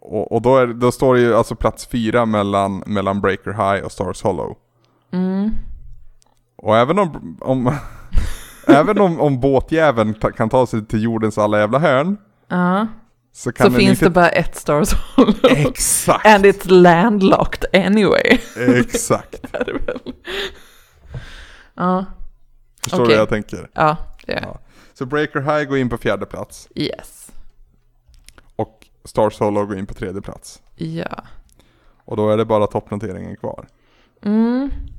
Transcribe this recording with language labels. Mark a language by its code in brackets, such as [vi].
[sv] Och då står det ju alltså plats fyra mellan Breaker High och Stars Hollow. Mm. Och även om även om båtjäveln kan ta sig till jordens alla jävla hörn. Ja. Så finns det bara ett Stars Hollow. Exakt. [en] And it's landlocked anyway. [sv] Exakt. Ja. Förstår du vad jag tänker? Ja, ja. Så Breaker High går in på fjärde plats. [en] Yes. [sv] Och Stars Hollow går in på tredje plats. Ja. Och då är det bara toppnoteringen kvar. Mm.